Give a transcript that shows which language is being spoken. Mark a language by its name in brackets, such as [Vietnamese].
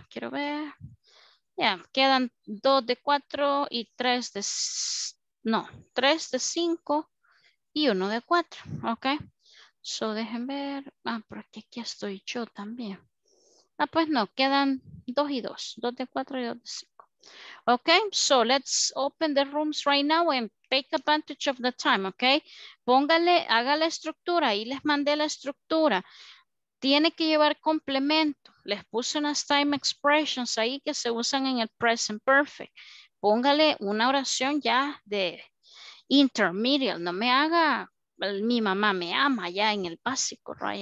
[Spanish] Quiero ver. Quedan 2 de 4 y 3 de 5 y 1 de 4. Ok. So dejen ver. Ah, por aquí estoy yo también. Ah, pues no, quedan 2 y 2, 2 de 4 y 2 de 5. [English] Okay, so let's open the rooms right now and take advantage of the time, okay? [Spanish] Póngale, haga la estructura, ahí les mandé la estructura. Tiene que llevar complemento. Les puse unas time expressions ahí que se usan en el present perfect. Póngale una oración ya de intermedial. No me haga mi mamá me ama ya en el básico, right?